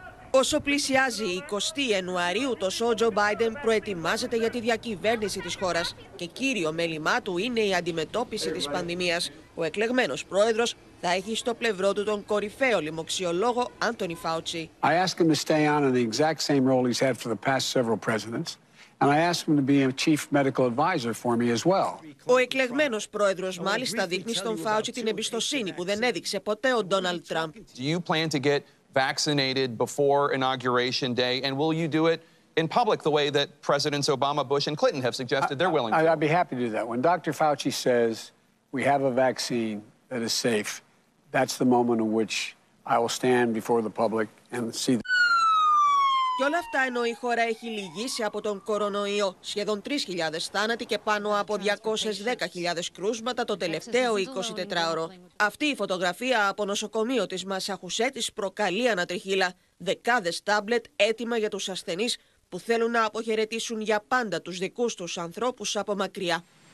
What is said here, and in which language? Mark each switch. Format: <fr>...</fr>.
<el>Όσο πλησιάζει η 20η Ιανουαρίου, τόσο ο Τζο Μπάιντεν προετοιμάζεται για τη διακυβέρνηση της χώρας και κύριο μέλημά του είναι η αντιμετώπιση της πανδημίας. Ο εκλεγμένος πρόεδρος θα έχει στο πλευρό του τον κορυφαίο λοιμοξιολόγο Άντονι Φάουτσι.</el> <en>I ask him to stay on in the exact same role he's had for the past several presidents. And I asked him to be a chief medical advisor for me as well.</en> <el>Ο εκλεγμένος πρόεδρος μάλιστα δείχνει στον Φάουτσι την εμπιστοσύνη που δεν έδειξε ποτέ ο Ντόναλντ Τραμπ.</el> <en>Do you plan to get vaccinated before inauguration day, and will you do it in public the way that Presidents Obama, Bush, and Clinton have suggested they're willing to? I'd be happy to do that. When Dr. Fauci says we have a vaccine that is safe, that's the moment in which I will stand before the public and see.</en> <el>Και όλα αυτά ενώ η χώρα έχει λυγίσει από τον κορονοϊό. Σχεδόν 3.000 θάνατοι και πάνω από 210.000 κρούσματα το τελευταίο 24ωρο. Αυτή η φωτογραφία από νοσοκομείο της Μασαχουσέτης προκαλεί ανατριχύλα. Δεκάδες τάμπλετ έτοιμα για τους ασθενείς που θέλουν να αποχαιρετήσουν για πάντα τους δικούς τους ανθρώπους από μακριά.</el>